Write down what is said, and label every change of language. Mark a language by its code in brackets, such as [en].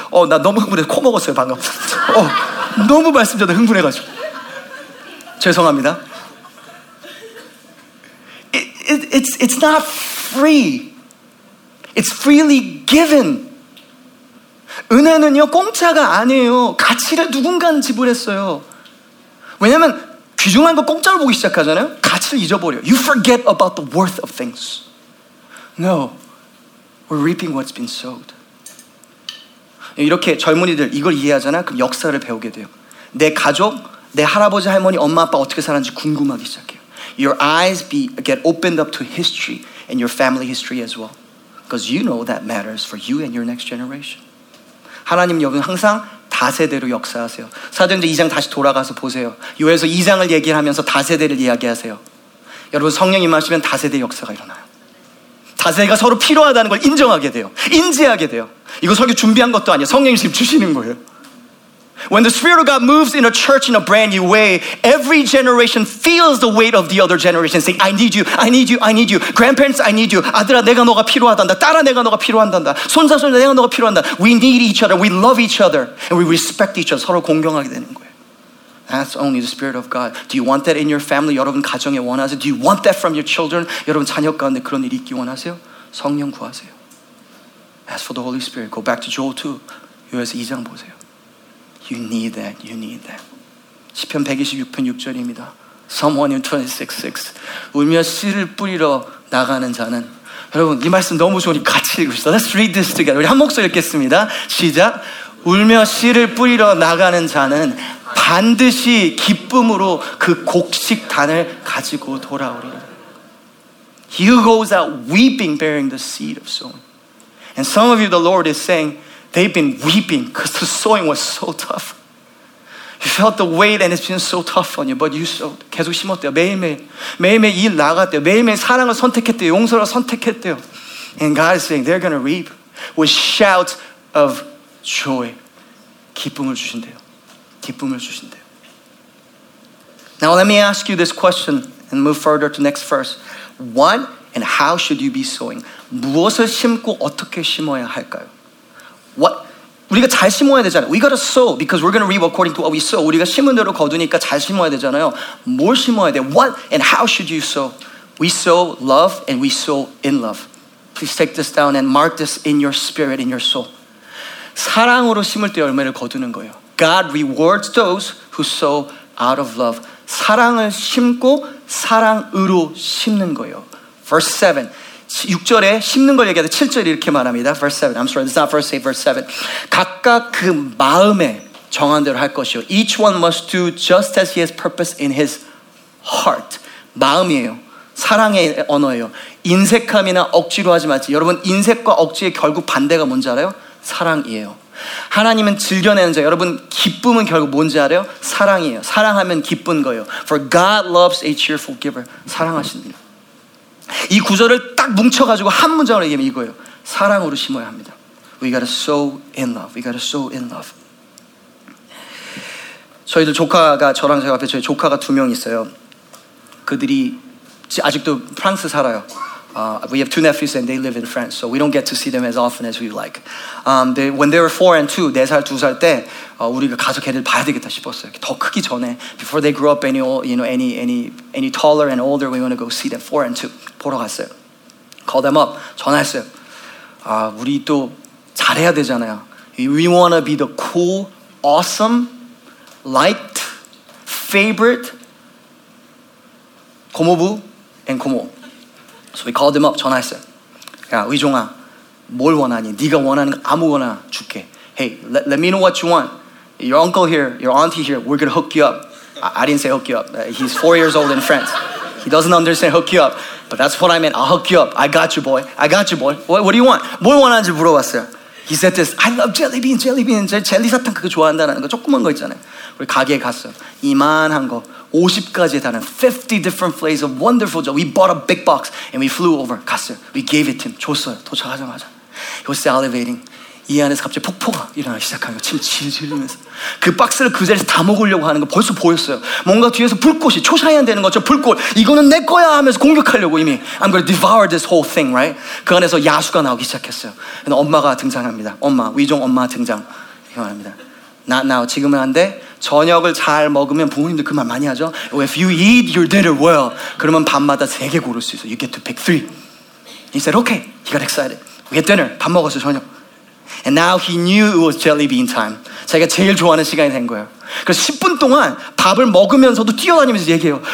[ko] 어, 나 너무 흥분해서 코 먹었어요, 방금. 어, 너무 말씀 전에 흥분해가지고. 죄송합니다. [en] It's not free. It's freely given. [ko] 은혜는요 공짜가 아니에요. 가치를 누군가는 지불했어요. 왜냐면 귀중한 거 공짜로 보기 시작하잖아요. 가치를 잊어버려요. [en] You forget about the worth of things. No, we're reaping what's been sowed. [ko] 이렇게 젊은이들 이걸 이해하잖아. 그럼 역사를 배우게 돼요. 내 가족, 내 할아버지, 할머니, 엄마, 아빠 어떻게 살았는지 궁금하기 시작해요. [en] Your eyes get opened up to history and your family history as well. Because you know that matters for you and your next generation. [ko] 하나님 여러분 항상 다세대로 역사하세요. 사도행전 2장 다시 돌아가서 보세요. 요에서 2장을 얘기하면서 다세대를 이야기하세요. 여러분 성령 임하시면 다세대 역사가 일어나요. 다세대가 서로 필요하다는 걸 인정하게 돼요. 인지하게 돼요. 이거 설교 준비한 것도 아니에요. 성령이 지금 주시는 거예요. [en] When the Spirit of God moves in a church in a brand new way, every generation feels the weight of the other generation saying, I need you, I need you, I need you. Grandparents, I need you. [ko] 아들아, 내가 너가 필요하단다. 딸아, 내가 너가 필요한단다. 손자, 손자, 내가 너가 필요한다. [en] We need each other, we love each other, and we respect each other. [ko] 서로 공경하게 되는 거예요. [en] That's only the Spirit of God. Do you want that in your family? [ko] 여러분 가정에 원하세요? [en] Do you want that from your children? [ko] 여러분 자녀 가운데 그런 일이 있기 원하세요? 성령 구하세요. [en] As for the Holy Spirit, go back to Joel 2. [ko] 요에서 2장 보세요. [en] You need that. You need that. [ko] 시편 126편 6절입니다. [en] Psalm 126:6. [ko] 울며 씨를 뿌리러 나가는 자는 여러분 이 말씀 너무 좋으니 같이 읽읍시다. [en] Let's read this together. [ko] 우리 한 목소리 읽겠습니다. 시작. 울며 씨를 뿌리러 나가는 자는 반드시 기쁨으로 그 곡식 단을 가지고 돌아오리라. [en] He who goes out weeping bearing the seed of sowing. And some of you the Lord is saying they've been weeping because the sowing was so tough. You felt the weight and it's been so tough on you, but you sowed. [ko] 계속 심었대요. 매일매일. 매일매일 일 나갔대요. 매일매일 사랑을 선택했대요. 용서를 선택했대요. [en] And God is saying, they're going to reap with shouts of joy. [ko] 기쁨을 주신대요. 기쁨을 주신대요. [en] Now let me ask you this question and move further to next verse. What and how should you be sowing? [ko] 무엇을 심고 어떻게 심어야 할까요? [en] What? [ko] 우리가 잘 심어야 되잖아요. [en] We gotta sow because we're gonna reap according to what we sow. [ko] 우리가 심은 대로 거두니까 잘 심어야 되잖아요. 뭘 심어야 돼? [en] What and how should you sow? We sow love and we sow in love. Please take this down and mark this in your spirit, in your soul. [ko] 사랑으로 심을 때 열매를 거두는 거예요. [en] God rewards those who sow out of love. [ko] 사랑을 심고 사랑으로 심는 거예요. [en] Verse 7. [ko] 6절에 심는 걸 얘기하다 7절에 이렇게 말합니다. [en] Verse 7. I'm sorry. It's not verse 8. Verse 7. [ko] 각각 그 마음에 정한 대로 할 것이요. [en] Each one must do just as he has purpose in his heart. [ko] 마음이에요. 사랑의 언어예요. 인색함이나 억지로 하지 마세요. 여러분, 인색과 억지의 결국 반대가 뭔지 알아요? 사랑이에요. 하나님은 즐겨내는 자. 여러분, 기쁨은 결국 뭔지 알아요? 사랑이에요. 사랑하면 기쁜 거예요. [en] For God loves a cheerful giver. [ko] 사랑하십니다. 이 구절을 딱 뭉쳐가지고 한 문장으로 얘기하면 이거예요. 사랑으로 심어야 합니다. [en] We gotta sow in love. We gotta sow in love. [ko] 저희들 조카가, 저랑 제 앞에 저희 조카가 두 명 있어요. 그들이 아직도 프랑스 살아요. [en] We have two nephews and they live in France, so we don't get to see them as often as we like. When they were four and two, [ko] 네 살, 두 살 때, 우리가 가서 걔들 봐야 되겠다 싶었어요. 더 크기 전에, [en] before they grew up any, you know, any taller and older, we want to go see them, four and two. [ko] 보러 갔어요. [en] Call them up. [ko] 전화했어요. 우리 또 잘해야 되잖아요. [en] We want to be the cool, awesome, liked, favorite, 고모부 and 고모. So we called him up, [ko] 전화했어요. 야, 의종아, 뭘 원하니? 네가 원하는 거 아무거나 줄게. [en] Hey, let me know what you want. Your uncle here, your auntie here, we're going to hook you up. I didn't say hook you up. He's 4 years old in France. He doesn't understand hook you up. But that's what I meant. I'll hook you up. I got you, boy. I got you, boy. What do you want? [ko] 뭘 원하는지 물어봤어요. [en] He said this, I love jelly beans, jelly beans. [ko] 젤리사탕 그거 좋아한다는 거, 조그만 거 있잖아요. 우리 가게에 갔어요. 이만한 거. 50가지에 달하는 [en] 50 different flavors of wonderful jelly. We bought a big box and we flew over. [ko] 갔어요. [en] We gave it to him. [ko] 줬어요. 도착하자마자. [en] He was salivating. [ko] 이 안에서 갑자기 폭포가 일어나기 시작한 거예요. 침 질질리면서. 그 박스를 그 자리에서 다 먹으려고 하는 거 벌써 보였어요. 뭔가 뒤에서 불꽃이 초사이안 되는 것처럼 불꽃. 이거는 내 거야 하면서 공격하려고 이미. I'm going to devour this whole thing, right? 그 안에서 야수가 나오기 시작했어요. 근데 엄마가 등장합니다. 엄마, 위종 엄마 등장. 이 말합니다. [en] Not now, [ko] 지금은 안 돼. 저녁을 잘 먹으면 부모님들 그 말 많이 하죠. [en] If you eat your dinner well, [ko] 그러면 밤마다 세 개 고를 수 있어. [en] You get to pick three. He said, okay. He got excited. We had dinner. [ko] 밥 먹었어, 저녁. [en] And now he knew it was jelly bean time. [ko] 자기가 제일 좋아하는 시간이 된 거예요. 그래서 10분 동안 밥을 먹으면서도 뛰어다니면서 얘기해요.